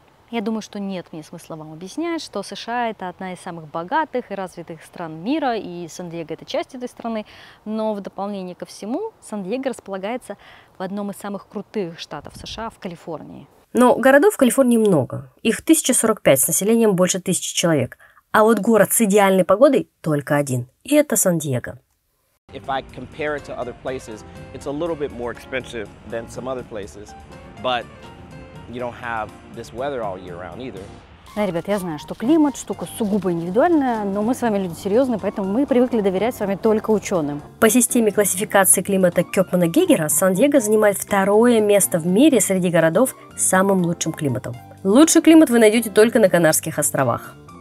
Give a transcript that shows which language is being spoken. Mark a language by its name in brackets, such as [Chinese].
[Russian] Я думаю, что нет мне смысла вам объяснять, что США – это одна из самых богатых и развитых стран мира, и Сан-Диего – это часть этой страны. Но в дополнение ко всему, Сан-Диего располагается в одном из самых крутых штатов США – в Калифорнии. Но городов в Калифорнии много. Их 1045 с населением больше 1000 человек. А вот город с идеальной погодой – только один. И это Сан-Диего. [English] If I compare it to other places, it's a little bit more expensive than some other places, but... You don't have this weather all year round either. [Russian] Да, ребят, я знаю, что климат – штука сугубо индивидуальная, но мы с вами люди серьезные, поэтому мы привыкли доверять с вами только ученым. По системе классификации климата Кёпмана-Гегера Сан-Диего занимает второе место в мире среди городов с самым лучшим климатом. Лучший климат вы найдете только на Канарских островах.